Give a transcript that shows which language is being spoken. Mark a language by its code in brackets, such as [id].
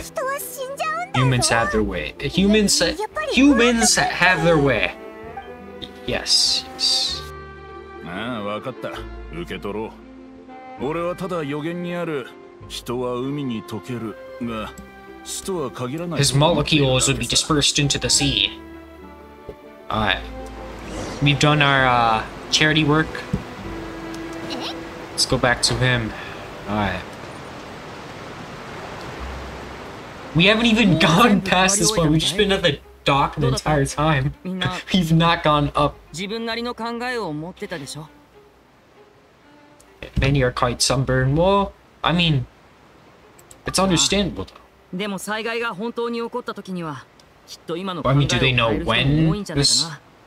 [ja] 人は死んじゃうんだぞ。 [en] Humans have their way. Humans, humans have their way. Yes, yes. [ja] ああ、わかった。受け取ろう。俺はただ予言にある人は海に溶けるが、死とは限らない。 [en] His molecules would be dispersed into the sea. Alright. We've done our, charity work. Let's go back to him. Alright. We haven't even gone past this point. We've just been at the dock the entire time. We've not gone up. [ja] 自分なりの考えを持ってたでしょ。 [en] Many are quite sunburned. Well, I mean, it's understandable. [ja] でも災害が本当に起こった時には、きっと今の考えを変える人も多いんじゃないかな。